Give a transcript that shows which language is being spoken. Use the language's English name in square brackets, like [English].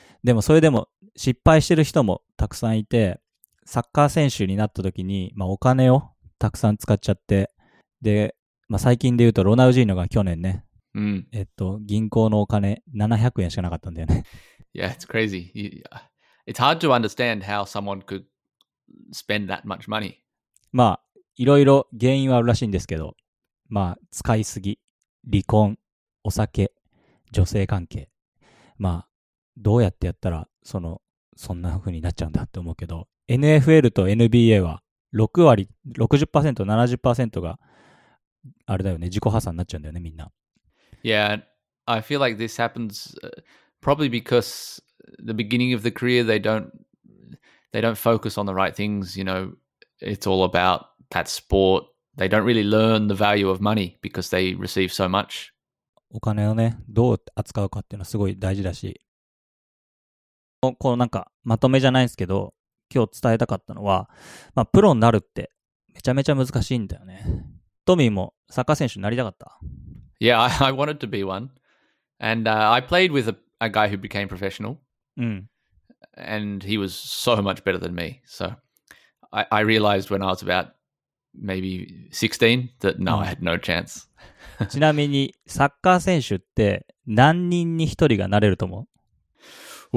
[Japanese] でもそれでも失敗してる人もたくさんいて、サッカー選手になった時に、まあお金をたくさん使っちゃって、で、まあ、最近で言うとロナウジーノが去年ね、うん、銀行のお金700円しかなかったんだよね。 [English] Yeah, it's crazy. Yeah. It's hard to understand how someone could spend that much money. [Japanese] まあ、いろいろ原因はあるらしいんですけど、まあ、使いすぎ、離婚、お酒、女性関係。まあ、どうやってやったら、そんな風になっちゃうんだって思うけど、NFL と NBA は、6割、60%、70% が、あれだよね、自己破産になっちゃうんだよね、みんな。 [English] Yeah, I feel like this happens, probably because... The beginning of the career, they don't focus on the right things. You know, it's all about that sport. They don't really learn the value of money because they receive so much. [Japanese] お金をね、どう扱うかっていうのはすごい大事だし、このなんかまとめじゃないんですけど、今日伝えたかったのは、まあプロになるってめちゃめちゃ難しいんだよね。トミーもサッカー選手になりたかった。 [English] Yeah, I wanted to be one, and I played with a guy who became professional. [Japanese] うん、 [English] and he was so much better than me. So I realized when I was about maybe 16 that now I had no chance. [Japanese] ちなみにサッカー選手って何人に一人がなれると思う？